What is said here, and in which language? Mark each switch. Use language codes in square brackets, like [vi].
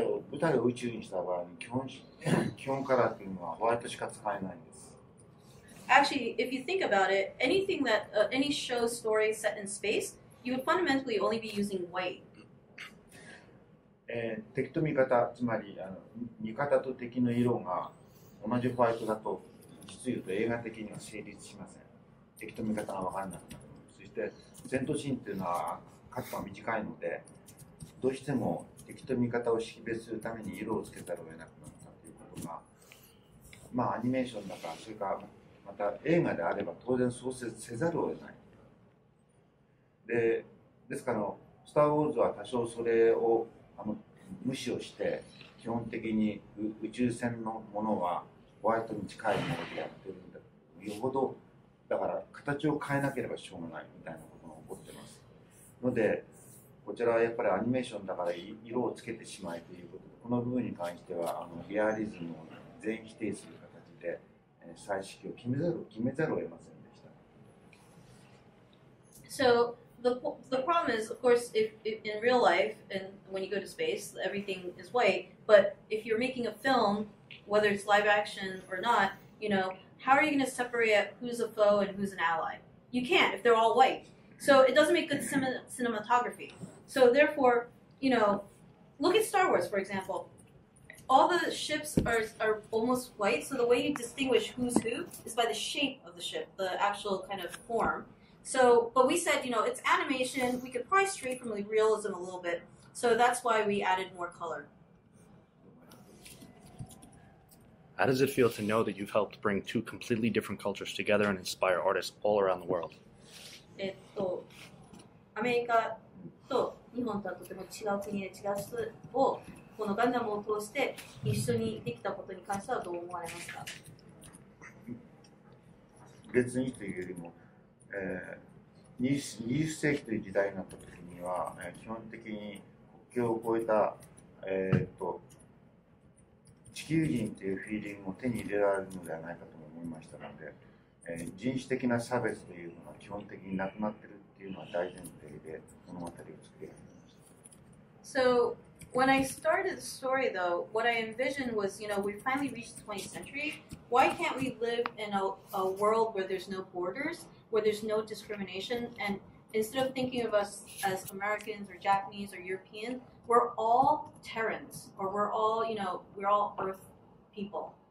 [ja] 舞台を宇宙にした場合に基本カラーというのはホワイトしか使えないんです。 [en] Actually, if you think about it, anything that any show story set in space, you would fundamentally only be using white. [ja] 敵と味方、つまり味方と敵の色が同じホワイトだと、実言うと映画的には成立しません。敵と味方が分からなくなる。そして戦闘シーンというのは過去が短いので、どうしても敵と味方を識別するために色をつけたら得なくなったということが、まあアニメーションだから、それからまた映画であれば当然そうせざるを得ない。でですから、スターウォーズは多少それを無視をして、基本的に宇宙船のものはホワイトに近いものでやってるんだ、よほどだから形を変えなければしょうがないみたいなことが起こってますので、こちらはやっぱりアニメーションだから色をつけてしまえということで、この部分に関してはリアリズムを全否定する形で彩色を決めざるを得ませんでした。 [en] So the problem is, of course, if in real life and when you go to space everything is white, but if you're making a film, whether it's live action or not, you knowHow are you going to separate who's a foe and who's an ally? You can't if they're all white. So it doesn't make good cinematography. So therefore, you know, look at Star Wars, for example. All the ships are almost white, so the way you distinguish who's who is by the shape of the ship, the actual kind of form. So, but we said, you know, it's animation. We could probably stray from realism a little bit. So that's why we added more color. How does it feel to know that you've helped bring two completely different cultures together and inspire artists all around the world? [ja] アメリカと日本とはとても違う国で違う人をこのガンダムを通して一緒にできたことに関してはどう思われますか？別にというよりも、20世紀という時代になった時には、基本的に国境を越えた、地球人というフィーリングを手に入れられるのではないかと思いましたので、人種的な差別というのが基本的になくなっているというのは大前提で物語を作り上げました。 [en] So, When I started the story, though, what I envisioned was, you know, we finally reached the 20th century. Why can't we live in a world where there's no borders, where there's no discrimination? And instead of thinking of us as Americans or Japanese or European, we're all Terrans, or we're all, you know, we're all Earth people.